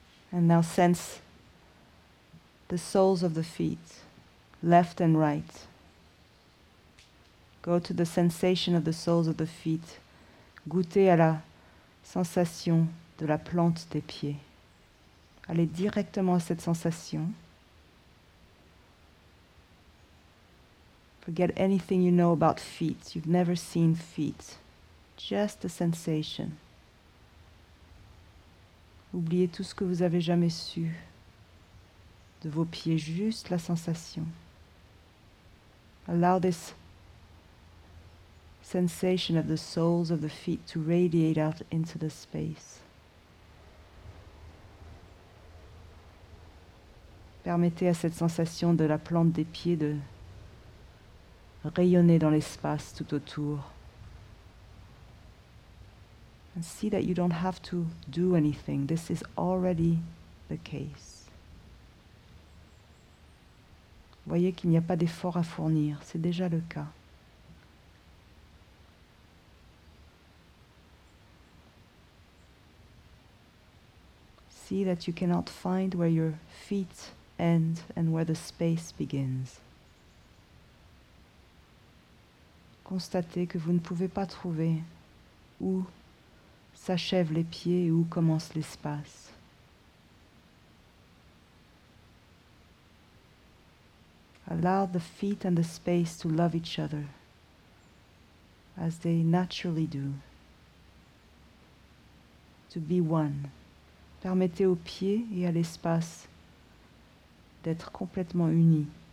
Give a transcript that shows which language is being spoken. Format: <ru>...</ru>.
<en>And now sense the soles of the feet, left and right. Go to the sensation of the soles of the feet.</en> <fr>Goûtez à la sensation de la plante des pieds. Allez directement à cette sensation.</fr> <en>Forget anything you know about feet. You've never seen feet. Just the sensation.</en> <fr>Oubliez tout ce que vous avez jamais su de vos pieds, juste la sensation.</fr> <en>Allow this sensation of the soles of the feet to radiate out into the space.</en> <fr>Permettez à cette sensation de la plante des pieds de rayonner dans l'espace tout autour.</fr> <en>And see that you don't have to do anything. This is already the case.</en> <fr>Voyez qu'il n'y a pas d'effort à fournir. C'est déjà le cas.</fr> <en>See that you cannot find where your feet end and where the space begins.</en> <fr>Constatez que vous ne pouvez pas trouver où s'achèvent les pieds et où commence l'espace.</fr> <en>Allow the feet and the space to love each other as they naturally do. To be one.</en> <fr>Permettez aux pieds et à l'espace d'être complètement unis.</fr>